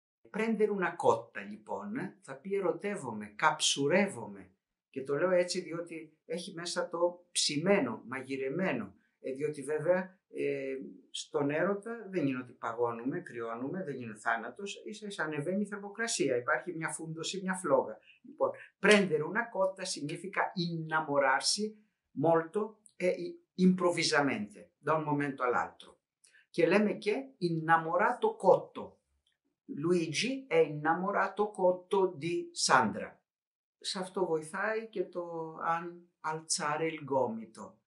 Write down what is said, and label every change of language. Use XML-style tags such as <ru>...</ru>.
<it>Prendere una cotta,</it> <el>λοιπόν, θα πει ερωτεύομαι, καψουρεύομαι. Και το λέω έτσι διότι έχει μέσα το ψημένο, μαγειρεμένο. Διότι βέβαια στον έρωτα δεν είναι ότι παγώνουμε, κρυώνουμε, δεν είναι θάνατος, ίσως ανεβαίνει η θερμοκρασία, υπάρχει μια φούντωση, μια φλόγα.</el> <it>Λοιπόν, prendere una cotta significa innamorarsi molto e improvvisamente, da un momento all'altro.</it> <el>Και λέμε και innamorato cotto.</el> <it>Luigi è innamorato cotto di Sandra.</it> <el>Σε αυτό βοηθάει και το αν</el> <it>alzare il gomito.</it>